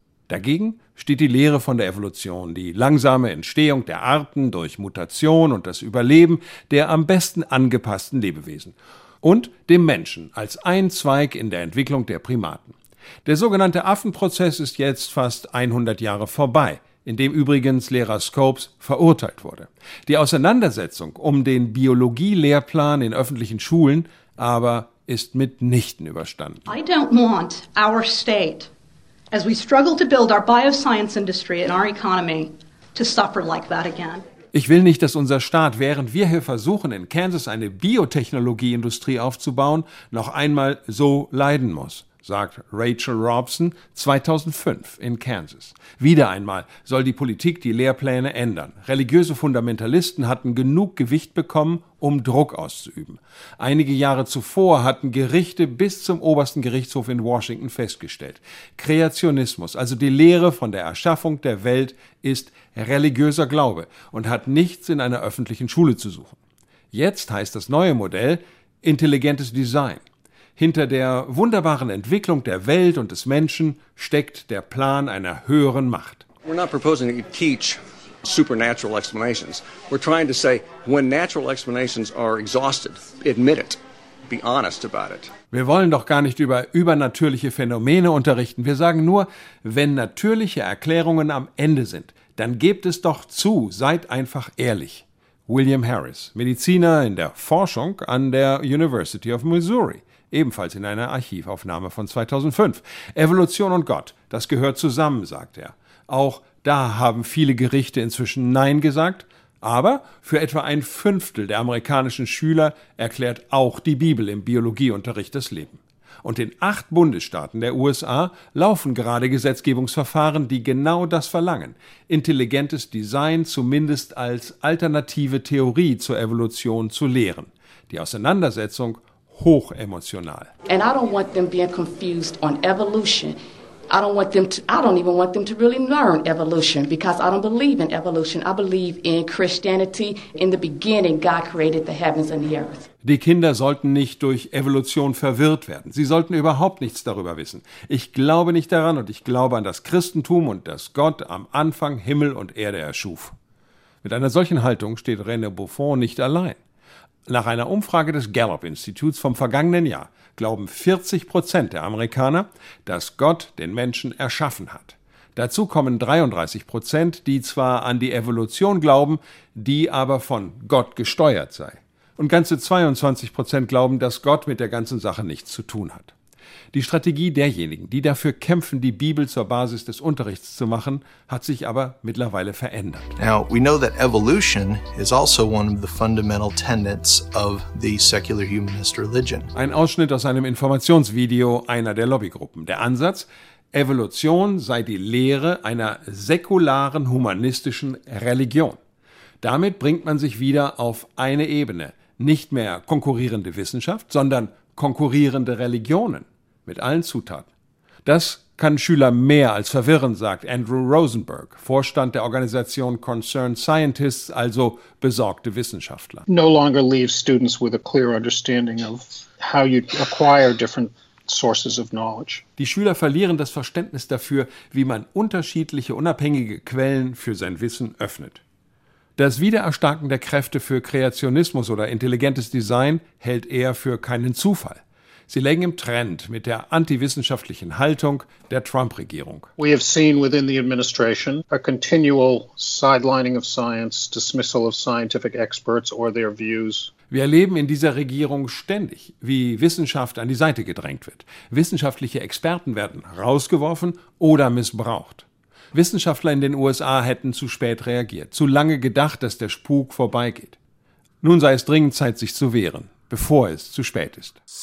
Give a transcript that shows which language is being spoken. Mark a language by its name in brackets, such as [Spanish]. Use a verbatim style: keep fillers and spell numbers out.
[German] Dagegen steht die Lehre von der Evolution, die langsame Entstehung der Arten durch Mutation und das Überleben der am besten angepassten Lebewesen und dem Menschen als ein Zweig in der Entwicklung der Primaten. Der sogenannte Affenprozess ist jetzt fast hundert Jahre vorbei, in dem übrigens Lehrer Scopes verurteilt wurde. Die Auseinandersetzung um den Biologie-Lehrplan in öffentlichen Schulen aber ist mitnichten überstanden. [English] I don't want our state, as we struggle to build our bioscience industry and our economy, to suffer like that again. [German] Ich will nicht, dass unser Staat, während wir hier versuchen, in Kansas eine Biotechnologieindustrie aufzubauen, noch einmal so leiden muss, sagt Rachel Robson zweitausendfünf in Kansas. Wieder einmal soll die Politik die Lehrpläne ändern. Religiöse Fundamentalisten hatten genug Gewicht bekommen, um Druck auszuüben. Einige Jahre zuvor hatten Gerichte bis zum obersten Gerichtshof in Washington festgestellt: Kreationismus, also die Lehre von der Erschaffung der Welt, ist religiöser Glaube und hat nichts in einer öffentlichen Schule zu suchen. Jetzt heißt das neue Modell intelligentes Design. Hinter der wunderbaren Entwicklung der Welt und des Menschen steckt der Plan einer höheren Macht. [English] We're not proposing to teach supernatural explanations. We're trying to say, when natural explanations are exhausted, admit it. Be honest about it. [German] Wir wollen doch gar nicht über übernatürliche Phänomene unterrichten. Wir sagen nur, wenn natürliche Erklärungen am Ende sind, dann gebt es doch zu, seid einfach ehrlich. William Harris, Mediziner in der Forschung an der University of Missouri, ebenfalls in einer Archivaufnahme von zweitausendfünf. Evolution und Gott, das gehört zusammen, sagt er. Auch da haben viele Gerichte inzwischen Nein gesagt, aber für etwa ein Fünftel der amerikanischen Schüler erklärt auch die Bibel im Biologieunterricht das Leben. Und in acht Bundesstaaten der U S A laufen gerade Gesetzgebungsverfahren, die genau das verlangen. Intelligentes Design zumindest als alternative Theorie zur Evolution zu lehren. Die Auseinandersetzung hochemotional. [English] And I don't want them being confused on evolution. I don't want them to, I don't even want them to really learn evolution, because I don't believe in evolution. I believe in Christianity. In the beginning God created the heavens and the earth. [German] Die Kinder sollten nicht durch Evolution verwirrt werden. Sie sollten überhaupt nichts darüber wissen. Ich glaube nicht daran und ich glaube an das Christentum und dass Gott am Anfang Himmel und Erde erschuf. Mit einer solchen Haltung steht René Buffon nicht allein. Nach einer Umfrage des Gallup-Instituts vom vergangenen Jahr glauben vierzig Prozent der Amerikaner, dass Gott den Menschen erschaffen hat. Dazu kommen dreiunddreißig Prozent, die zwar an die Evolution glauben, die aber von Gott gesteuert sei. Und ganze zweiundzwanzig Prozent glauben, dass Gott mit der ganzen Sache nichts zu tun hat. Die Strategie derjenigen, die dafür kämpfen, die Bibel zur Basis des Unterrichts zu machen, hat sich aber mittlerweile verändert. [English] Now we know that evolution is also one of the fundamental tenets of the secular humanist religion. [German] Ein Ausschnitt aus einem Informationsvideo einer der Lobbygruppen. Der Ansatz: Evolution sei die Lehre einer säkularen humanistischen Religion. Damit bringt man sich wieder auf eine Ebene. Nicht mehr konkurrierende Wissenschaft, sondern konkurrierende Religionen mit allen Zutaten. Das kann Schüler mehr als verwirren, sagt Andrew Rosenberg, Vorstand der Organisation Concerned Scientists, also besorgte Wissenschaftler. [English] No longer leave students with a clear understanding of how you acquire different sources of knowledge. [German] Die Schüler verlieren das Verständnis dafür, wie man unterschiedliche unabhängige Quellen für sein Wissen öffnet. Das Wiedererstarken der Kräfte für Kreationismus oder intelligentes Design hält er für keinen Zufall. Sie lägen im Trend mit der antiwissenschaftlichen Haltung der Trump-Regierung. [English] We have seen within the administration a continual sidelining of science, dismissal of scientific experts or their views. [German] Wir erleben in dieser Regierung ständig, wie Wissenschaft an die Seite gedrängt wird. Wissenschaftliche Experten werden rausgeworfen oder missbraucht. Wissenschaftler in den U S A hätten zu spät reagiert, zu lange gedacht, dass der Spuk vorbeigeht. Nun sei es dringend Zeit, sich zu wehren, bevor es zu spät ist.